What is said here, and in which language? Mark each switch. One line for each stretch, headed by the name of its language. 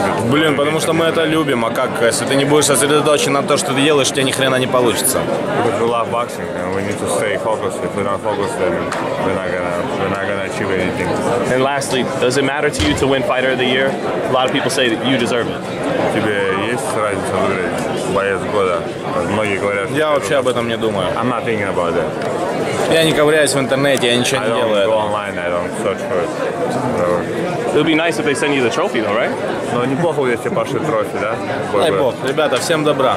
Russian: Блин, потому что мы это любим. А как, если ты не будешь сосредоточен на то, что ты делаешь, тебе ни хрена не получится.
English: Because we love boxing and we need to stay focused. If we don't focus, then we're not gonna achieve anything. And lastly, does it matter to you to win Fighter of the Year? A lot of people say that you deserve it.
Russian: Тебе есть разница выиграть боец года? Многие говорят, я вообще об этом не думаю.
English: I'm not thinking about that.
Russian: Я не ковыряюсь в интернете, я ничего не делаю.
English: I don't go online, I don't search for it. It would be nice if they send you the trophy, though, right?
Russian: Ну, неплохо, если пошли трофи, да? Дай бог. Ребята, всем добра.